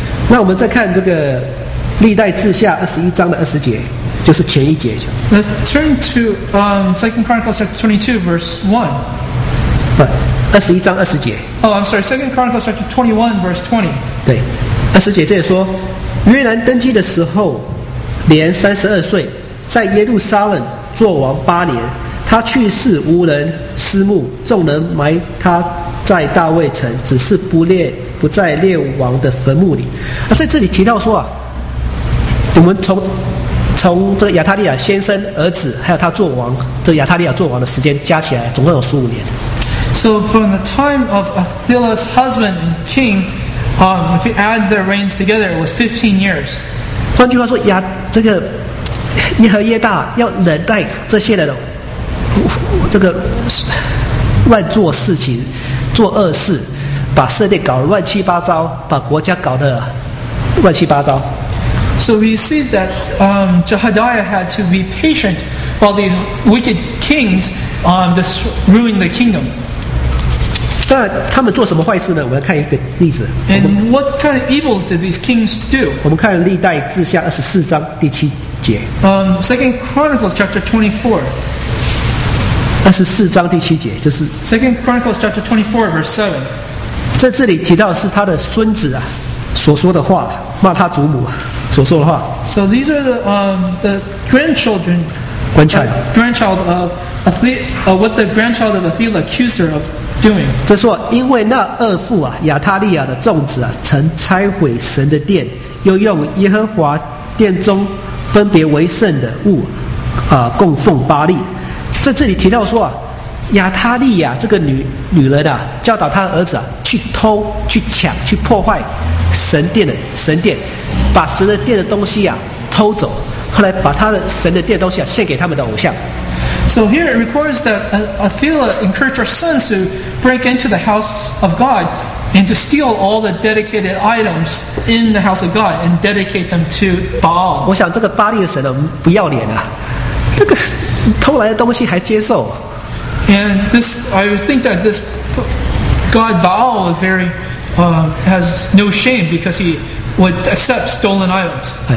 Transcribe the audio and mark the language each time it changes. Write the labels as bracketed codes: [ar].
[zh] 那我们再看这个历代志下21章的20节，就是前一节。 [en] Let's turn to Second Chronicles chapter 22, verse 1. [zh] 不，21章20节。 [en] Oh, I'm sorry. Second Chronicles chapter 21, verse 20. [zh] 对，二十节这里说。约兰登基的时候，年32岁，在耶路撒冷作王8年。他去世无人私墓，众人埋他在大卫城，只是不在列王的坟墓里。啊，在这里提到说啊，我们从这个亚他利亚先生儿子，还有他作王，这个、亚他利亚作王的时间加起来，总共有15年。 [en] So from the time of Athaliah's husband and king. If you add their reigns together, it was 15 years. [zh] 换句话说，这个耶和耶大要忍耐这些人，这个乱做事情、做恶事，把色列搞乱七八糟，把国家搞得乱七八糟。 [en] So we see that Jehoiada had to be patient while these wicked kings just ruined the kingdom. [zh] 那他们做什么坏事呢？我们看一个例子。 [en] And what kind of evils did these kings do? [zh] 我们看历代志下24章第7节。 [en] Second Chronicles chapter 24. [zh] 24章第7节就是。 [en] Second Chronicles chapter 24 verse 7. [zh] 在这里提到是他的孙子啊所说的话，骂他祖母所说的话。 [en] So these are the grandchildren. Grandchild of Athaliah, what the grandchild of Athaliah accused her of. doing. [zh] 这说，因为那恶妇啊，亚他利亚的众子啊，曾拆毁神的殿，又用耶和华殿中分别为圣的物，供奉巴利。在这里提到说啊，亚他利亚这个女人啊，教导他儿子啊，去偷、去抢、去破坏神殿，把神的殿的东西啊偷走，后来把他的神的殿的东西啊献给他们的偶像。 [en] So here it records that Athaliah encouraged her sons to break into the house of God and to steal all the dedicated items in the house of God and dedicate them to Baal. [zh] 我想这个巴利的神不要脸啊，这个偷来的东西还接受。 [en] And this, I think that this God Baal is very, has no shame because he would accept stolen items.